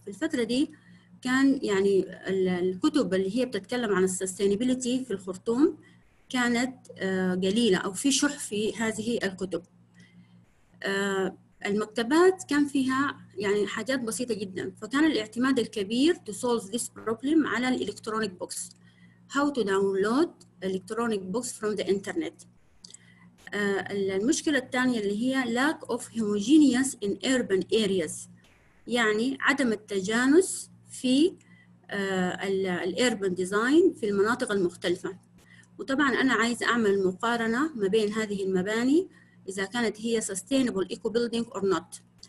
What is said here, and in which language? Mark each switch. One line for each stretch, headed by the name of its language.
Arabic: في الفترة دي كان يعني الكتب اللي هي بتتكلم عن sustainability في الخرطوم كانت قليلة أو في شح في هذه الكتب. المكتبات كان فيها يعني حاجات بسيطة جدا، فكان الاعتماد الكبير
English: to solve this problem
Arabic: على الإلكترونيك بوكس.
English: How to download electronic books from the internet.
Arabic: المشكلة الثانية اللي هي
English: lack of homogeneous in urban areas،
Arabic: يعني عدم التجانس في الurban design في المناطق المختلفة. وطبعا أنا عايز أعمل مقارنة ما بين هذه المباني إذا كانت هي
English: sustainable eco building or not.